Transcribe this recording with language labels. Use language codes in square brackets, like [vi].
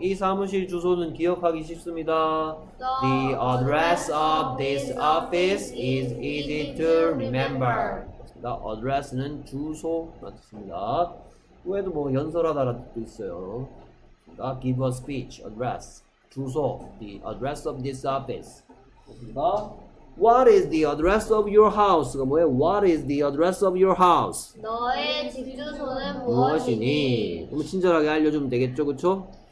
[ko] 이 사무실 주소는 기억하기 쉽습니다. [en] The address of this office is easy to remember. [ko] 그러니까 address는 주소 맞습니다. 외에도 뭐 연설하다라는 뜻도 있어요. 그러니까 [en] give a speech, address, 주소, the address of this office. [ko] 그러니까 [en] What is the address of your house? [ko] 그 뭐예요? [en] What is the address of your house? [ko] 너의 집 주소는 무엇이니? 그럼 친절하게 알려주면 되겠죠, 그쵸?